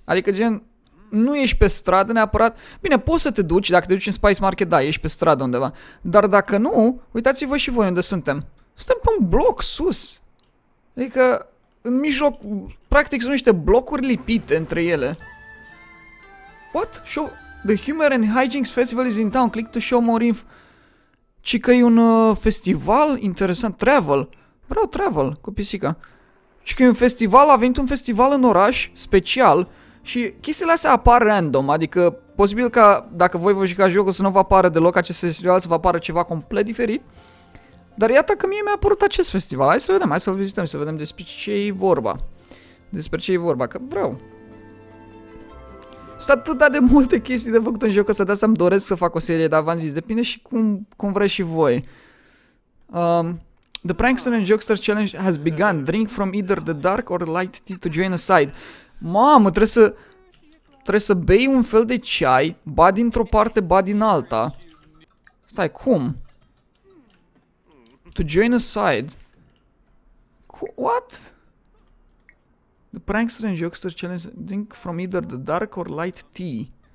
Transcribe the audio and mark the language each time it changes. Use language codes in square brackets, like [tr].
[ro] Adică gen, nu ești pe stradă neapărat. Bine, poți să te duci, dacă te duci în Spice Market, da, ești pe stradă undeva. Dar dacă nu, uitați-vă și voi unde suntem. Suntem pe un bloc sus. Adică, în mijloc, practic sunt niște blocuri lipite între ele. [en] What? Show the Humor and Hijinks Festival is in town. Click to show more info. [ro] Ci că e un festival interesant. Travel. Vreau travel cu pisica. Și că e un festival, a venit un festival în oraș special. Și chestiile astea apar random. Adică, posibil ca dacă voi vă jucați jocul să nu vă apară deloc acest festival, să vă apară ceva complet diferit. Dar iată că mie mi-a apărut acest festival. Hai să vedem, hai să-l vizităm, să vedem despre ce e vorba. Despre ce e vorba, că vreau. Sunt atât de multe chestii de făcut în joc ăsta, de asta îmi doresc să fac o serie, dar v-am zis, depinde și cum vreți și voi. [en] The Prankster and Jokester Challenge has begun. Drink from either the dark or light tea to join a side. [ro] Mamă, trebuie să bei un fel de ceai, ba dintr-o parte, ba din alta. Stai, cum? [en] To join a side. What? The Prankster and Jokester Challenge, drink from either the dark or light tea.